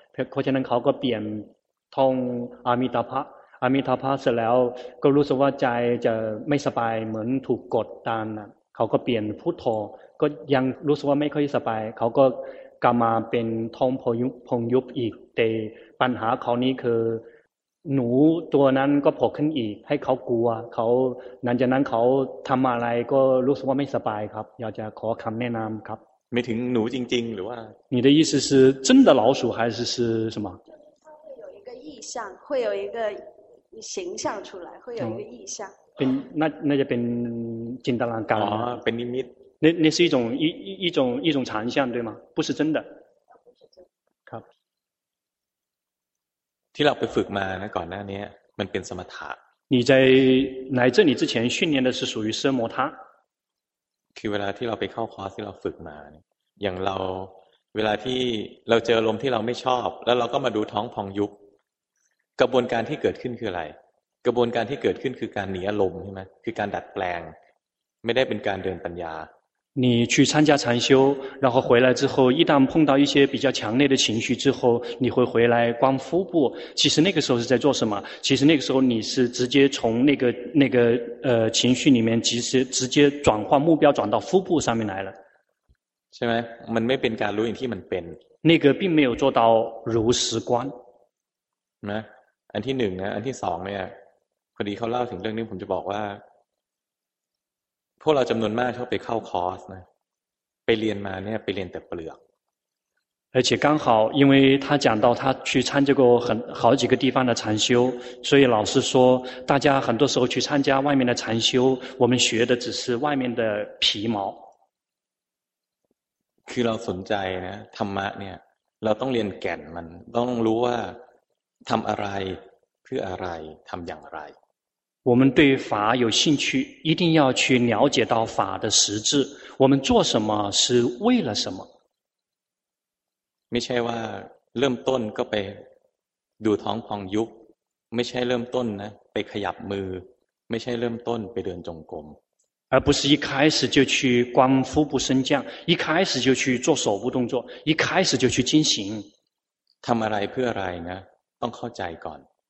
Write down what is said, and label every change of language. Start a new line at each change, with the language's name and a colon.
Thai: เพราะฉะนั้นเขาก็เปลี่ยนท่องอามิตาภะอามิตาภะเสร็จแล้วก็รู้สึกว่าใจจะไม่สบายเหมือนถูกกดดันเขาก็เปลี่ยนพุทโธก็ยังรู้สึกว่าไม่ค่อยสบายเขาก็กลับมาเป็นท่องพองยุบอีกแต่ปัญหาคราวนี้คือหนูตัวนั้นก็โผล่ขึ้นอีกให้เขากลัวเขาหลังจากนั้นเขาทําอะไรก็รู้สึกว่าไม่สบายครับอยากจะขอคําแนะนําครับ ไม่ถึงหนูจริงๆหรือว่า
Chinese: 你的意思是真的老鼠还是是什么像会有一个形象出来，会有一个意象。哦、那就变金达兰嘎了。啊，变秘密。那是一种常象，对吗？不是真的。啊、不是真的。
Thai: ที่เราไปฝึกมานะก่อนหน้านี้มันเป็นสมถะ。
Chinese: 你在来这里之前训练的是属于奢摩他。
Thai: คือเวลาที่เราไปเข้าคอร์สที่เราฝึกมาอย่างเราเวลาที่เราเจอลมที่เราไม่ชอบแล้วเราก็มาดูท้องพองยุบกระบวนการที่เกิดขึ้นคืออะไรกระบวนการที่เกิดขึ้นคือการหนีอารมณ์ใช่มั้ยคือการดัดแปลงไม่ได้เป็นการเดินปัญญา
Chinese: 你去参加禅修然后回来之后一旦碰到一些比较强烈的情绪之后你会回来观腹部其实那个时候是在做什么其实那个时候你是直接从那个情绪里面直接转换目标转到腹部上面来了
Thai: ใช่มั้ยมันไม่เป็นการรู้อย่างที่มันเป็น
Chinese: 那个并没有做到如实观
Thai: นะอันที่หนึ่งนะอันที่สองเนี่ยพอดีเขาเล่าถึงเรื่องนี้ผมจะบอกว่าพวกเราจำนวนมากชอบไปเข้าคอร์สนะไปเรียนมาเนี่ยไปเรียนแต่เปลือก
Chinese: 而且刚好因为他讲到他去参加过很好几个地方的禅修所以老师说大家很多时候去参加外面的禅修我们学的只是外面的皮毛
Thai: คือเราสนใจนะธรรมะเนี่ยเราต้องเรียนแก่นมันต้องรู้ว่าทำอะไรเพื่ออะไรทำอย่างไร
Chinese: 我们对法有兴趣一定要去了解到法的实质我们做什么是为了什么
Thai: ไม่ใช่ว่าเริ่มต้นก็ไปดูท้องพองยุบไม่ใช่เริ่มต้นนะไปขยับมือไม่ใช่เริ่มต้นไปเดินจงกรม
Chinese: 而不是一开始就去观腹部升降一开始就去做手部动作一开始就去进行
Thai: ทำอะไรเพื่ออะไรนะต้องเข้าใจก่อน